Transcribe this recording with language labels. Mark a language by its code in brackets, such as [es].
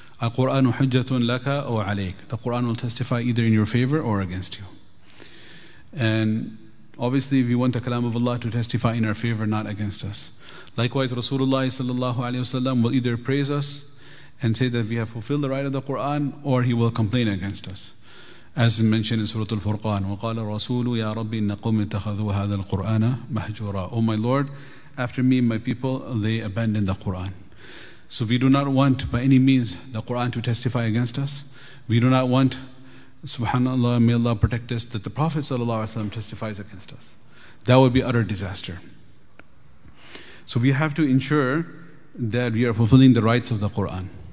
[ar] Al-Qur'anu hujjatun laka aw alayk. [en] The Qur'an will testify either in your favor or against you. And obviously we want the kalam of Allah to testify in our favor, not against us. Likewise, Rasulullah sallallahu alayhi wa sallam will either praise us and say that we have fulfilled the right of the Qur'an, or he will complain against us. As mentioned in Surah Al-Furqan, [ar] وَقَالَ الرَّسُولُ يَا رَبِّ إِنَّ قُمْ اتَّخَذُوا هَذَا الْقُرْآنَ مَحْجُورًا. [en] O my Lord, after me and my people, they abandoned the Qur'an. So we do not want by any means the Qur'an to testify against us. We do not want, subhanAllah, may Allah protect us, that the Prophet sallallahu alayhi wa sallam testifies against us. That would be utter disaster. So we have to ensure that we are fulfilling the rights of the Qur'an.